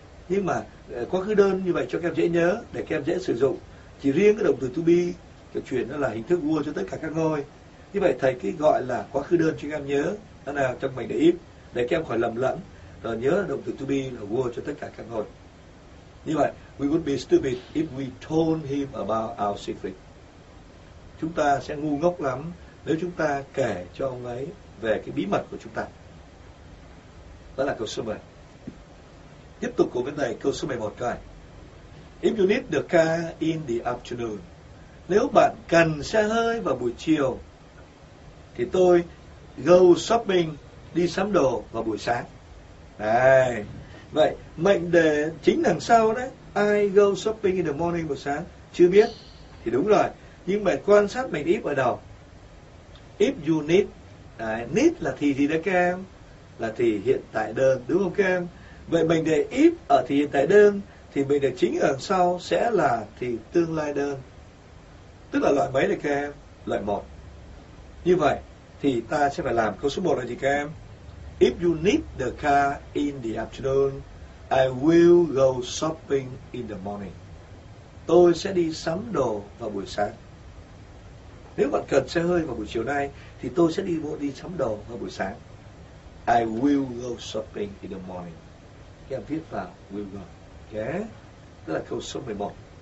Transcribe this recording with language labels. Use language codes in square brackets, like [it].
[vi] Nhưng mà quá khứ đơn như vậy cho các em dễ nhớ, để các em dễ sử dụng. Chỉ riêng cái động từ to be, cái chuyển nó là hình thức vua cho tất cả các ngôi. Như vậy thầy cái gọi là quá khứ đơn cho các em nhớ. Đó là trong mình để ít, để các em khỏi lầm lẫn. Rồi nhớ động từ to be là vua cho tất cả các ngôi. [en] Như vậy, we would be stupid if we told him about our secret. [vi] Chúng ta sẽ ngu ngốc lắm nếu chúng ta kể cho ông ấy về cái bí mật của chúng ta. Đó là câu số 10. Tiếp tục của vấn đề câu số 11 coi. [en] If you need the car in the afternoon. [vi] Nếu bạn cần xe hơi vào buổi chiều, thì tôi go shopping, đi sắm đồ vào buổi sáng. Đây. Vậy, mệnh đề chính đằng sau đấy. [en] I go shopping in the morning [vi] buổi sáng. Chưa biết. Thì đúng rồi. Nhưng mà quan sát mệnh if ở đầu. If you need. Đấy, need là thì gì đấy các em? Là thì hiện tại đơn, đúng không các em? Vậy mình để if ở thì hiện tại đơn, thì mình để chính ở sau sẽ là thì tương lai đơn. Tức là loại mấy đấy các em? Loại 1. Như vậy, thì ta sẽ phải làm câu số 1 là gì các em? [en] If you need the car in the afternoon, I will go shopping in the morning. [vi] Tôi sẽ đi sắm đồ vào buổi sáng. Nếu bạn cần xe hơi vào buổi chiều nay, thì tôi sẽ đi sắm đồ vào buổi sáng. [en] I will go shopping in the morning. [vi] Các em viết vào will go. Okay. Đó là câu số 11.